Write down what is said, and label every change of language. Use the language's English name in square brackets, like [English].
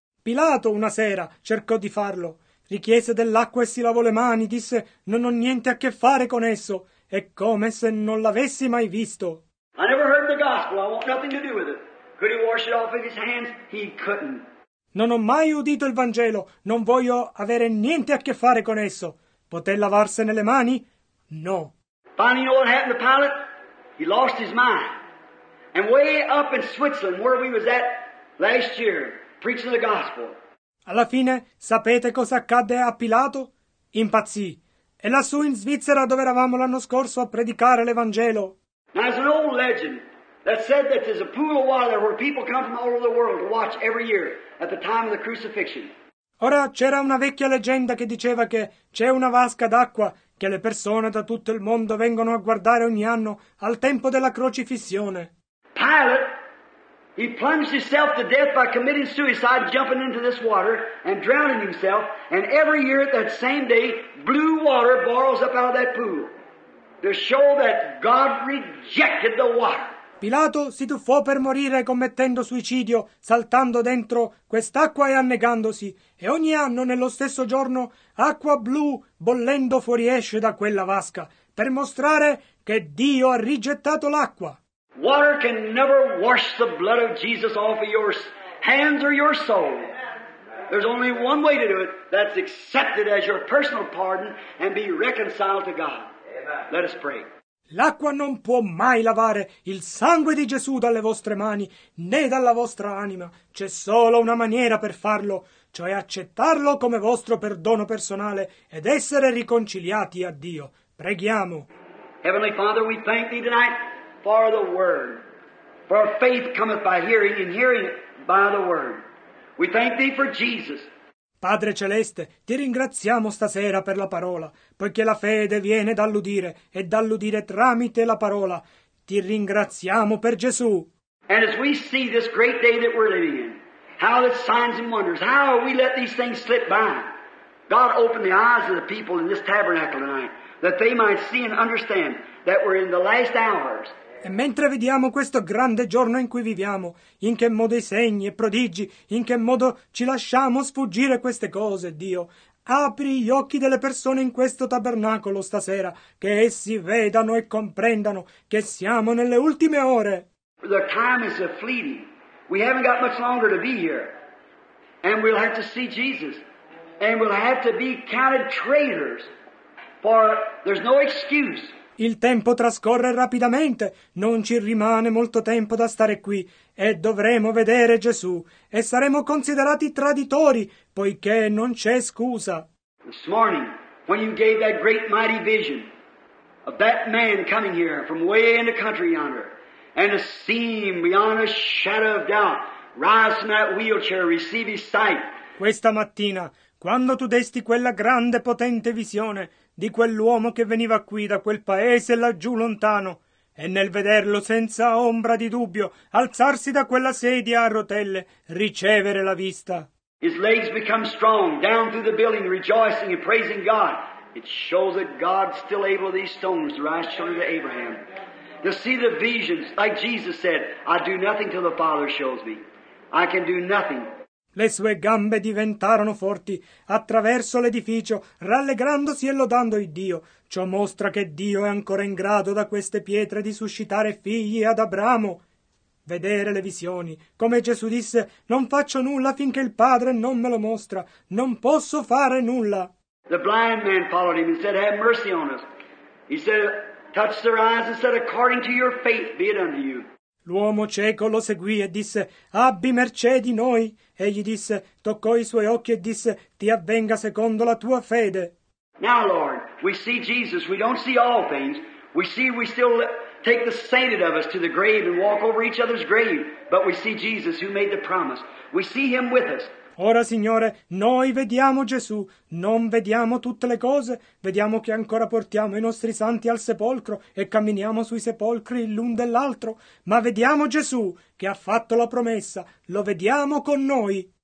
[Italian] Pilato una sera cercò di farlo. Richiese dell'acqua e si lavò le mani. Disse, non ho niente a che fare con esso. È come se non l'avessi mai visto. [English] I never heard the gospel. I want nothing to do with it. Could he wash it off of his hands? He couldn't. [Italian] Non ho mai udito il Vangelo. Non voglio avere niente a che fare con esso. Poté lavarsene le mani? No. [English] Finally, you know what happened to Pilate? He lost his mind. And way up in Switzerland, where we was at last year, preaching the gospel. [Italian] Alla fine, sapete cosa accadde a Pilato? Impazzì. E lassù in Svizzera, dove eravamo l'anno scorso a predicare l'Evangelo. [English] Now, there's an old legend that said that there's a pool of water where people come from all over the world to watch every year at the time of the crucifixion. [Italian] Ora c'era una vecchia leggenda che diceva che c'è una vasca d'acqua che le persone da tutto il mondo vengono a guardare ogni anno al tempo della crocifissione. [English] Pilate, he plunged himself to death by committing suicide, jumping into this water and drowning himself, and every year at that same day, blue water boils up out of that pool to show that God rejected the water. [Italian] Pilato si tuffò per morire commettendo suicidio, saltando dentro quest'acqua e annegandosi. E ogni anno, nello stesso giorno, acqua blu bollendo fuoriesce da quella vasca, per mostrare che Dio ha rigettato l'acqua. [English] Water can never wash the blood of Jesus off of your hands or your soul. There's only one way to do it, that's accepted as your personal pardon and be reconciled to God. Let us pray. [Italian] L'acqua non può mai lavare il sangue di Gesù dalle vostre mani, né dalla vostra anima. C'è solo una maniera per farlo, cioè accettarlo come vostro perdono personale ed essere riconciliati a Dio. Preghiamo. [English] Heavenly Father, we thank Thee tonight for the Word. For faith cometh by hearing, and hearing by the Word. We thank Thee for Jesus. [Italian] Padre Celeste, ti ringraziamo stasera per la parola, poiché la fede viene dall'udire e dall'udire tramite la parola. Ti ringraziamo per Gesù. [English] And as we see this great day that we're living in, how the signs and wonders, how we let these things slip by. God opened the eyes of the people in this tabernacle tonight, that they might see and understand that we're in the last hours. [Italian] E mentre vediamo questo grande giorno in cui viviamo, in che modo i segni e prodigi, in che modo ci lasciamo sfuggire queste cose, Dio, apri gli occhi delle persone in questo tabernacolo stasera, che essi vedano e comprendano che siamo nelle ultime ore. [English] The time is fleeting. We haven't got much longer to be here. And we'll have to see Jesus. And we'll have to be counted traitors. For there's no excuse. [Italian] Il tempo trascorre rapidamente, non ci rimane molto tempo da stare qui, e dovremo vedere Gesù, e saremo considerati traditori, poiché non c'è scusa. [English] This morning, when you gave that great mighty vision of that man coming here from way in the country yonder, and a seeing beyond a shadow of doubt, rise from that wheelchair, receive his sight. [Italian] Questa mattina, quando tu desti quella grande potente visione di quell'uomo che veniva qui da quel paese laggiù lontano, e nel vederlo senza ombra di dubbio alzarsi da quella sedia a rotelle, ricevere la vista. [English] His legs become strong, down through the building, rejoicing and praising God. It shows that God's still able these stones to rise shortly to Abraham. To see the visions, like Jesus said, I do nothing till the Father shows me. I can do nothing. [Italian] Le sue gambe diventarono forti attraverso l'edificio, rallegrandosi e lodando il Dio. Ciò mostra che Dio è ancora in grado da queste pietre di suscitare figli ad Abramo. Vedere le visioni. Come Gesù disse, non faccio nulla finché il Padre non me lo mostra. Non posso fare nulla. [English] The blind man followed him and said, have mercy on us. He said, touch their eyes and said, according to your faith be it unto you. [Italian] L'uomo cieco lo seguì e disse, abbi mercé di noi. Egli disse, toccò i suoi occhi e disse, ti avvenga secondo la tua fede. [English] Now, Lord, we see Jesus, we don't see all things. We see we still take the sainted of us to the grave and walk over each other's grave. But we see Jesus who made the promise. We see him with us. [Italian] Ora, Signore, noi vediamo Gesù, non vediamo tutte le cose, vediamo che ancora portiamo i nostri santi al sepolcro e camminiamo sui sepolcri l'un dell'altro, ma vediamo Gesù che ha fatto la promessa, lo vediamo con noi.